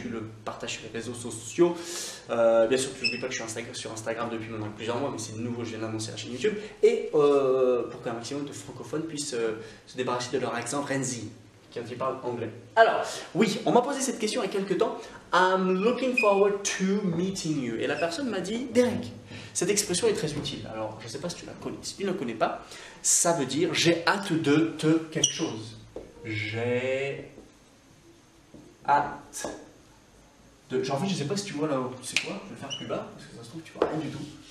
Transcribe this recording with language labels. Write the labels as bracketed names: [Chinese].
[French] Tu le partages sur les réseaux sociaux. Bien sûr, tu n'oublies pas que je suis sur Instagram depuis maintenant plusieurs mois, mais c'est nouveau, je viens d'annoncer la chaîne YouTube. Et pour qu'un maximum de francophones puissent se débarrasser de leur accent Renzi. Qui parle anglais. Alors, oui, on m'a posé cette question il y a quelques temps. [English] I'm looking forward to meeting you. [French] Et la personne m'a dit, Derek, cette expression est très utile. Alors, je ne sais pas si tu la connais. Si tu ne la connais pas, ça veut dire j'ai hâte de te quelque chose. J'ai hâte de... Genre, en fait, je ne sais pas si tu vois là-haut. Tu sais quoi? Je vais le faire plus bas parce que ça se trouve, tu ne vois rien du tout.